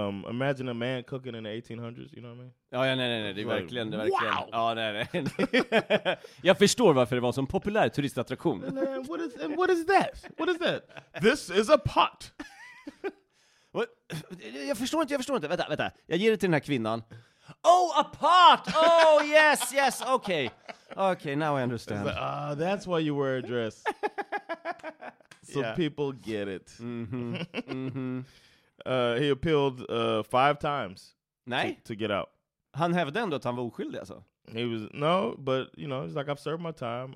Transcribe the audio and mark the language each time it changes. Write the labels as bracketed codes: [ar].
[en] Imagine a man cooking in the 1800s, you know what I mean? [sv] Oh, ja, nej, det är like, verkligen, det är verkligen. Wow! Ja, nej. Jag förstår varför det var en sån populär turistattraktion. [en] What is that? This is a pot! [sv] jag förstår inte, vänta. Jag ger det till den här kvinnan. [en] Oh, a pot! Oh, yes, okay. Okay, now I understand. Like, that's why you wear a dress. So yeah. People get it. He appealed 5 times. [sv] Nej. [en] To get out. [sv] Han hävdade ändå att han var oskyldig alltså. [en] He was no, but you know, he's like, I've served my time.